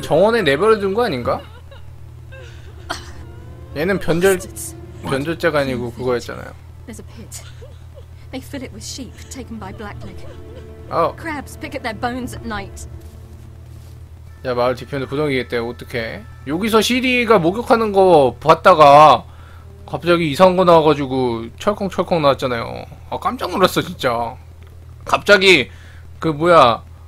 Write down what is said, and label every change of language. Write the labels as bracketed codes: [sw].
[ko] 정원에 내버려둔 거 아닌가? 얘는 변조자가 아니고 그거였잖아요. [en] There's a pit. They fill it with sheep taken by Blackleg. Oh. Crabs pick at their bones at night. [ko] 야 마을 뒤편에 구덩이겠대 어떡해 여기서 시리가 목욕하는 거 봤다가 갑자기 이상한 거 나와가지고 철컹철컹 나왔잖아요 아 깜짝 놀랐어 진짜 갑자기 그 뭐야